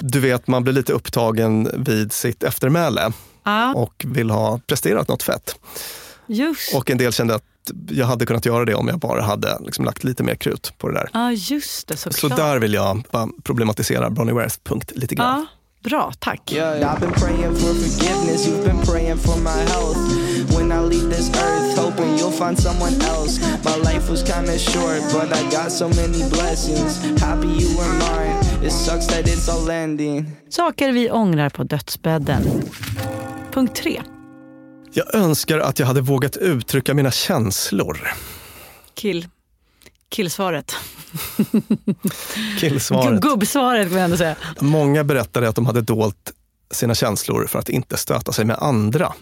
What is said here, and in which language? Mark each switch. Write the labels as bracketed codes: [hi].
[sv] Du vet, man blir lite upptagen vid sitt eftermäle. Och vill ha presterat något fett. Just. Och en del kände att jag hade kunnat göra det om jag bara hade liksom lagt lite mer krut på det där. Ja, just det, såklart. Så där vill jag bara problematisera Bronnie Ware's punkt lite grann. Bra, tack. [en] I've been praying for forgiveness, you've been praying for my health. When I leave this earth, hoping you'll find someone else. My life was kind of short, but I got so many blessings. Happy you were mine, it sucks that it's all ending. [sv] Saker vi ångrar på dödsbädden. Punkt 3. Jag önskar att jag hade vågat uttrycka mina känslor. Killsvaret. Killsvaret. Gubbsvaret kan man ändå säga. Många berättade att de hade dolt sina känslor för att inte stöta sig med andra.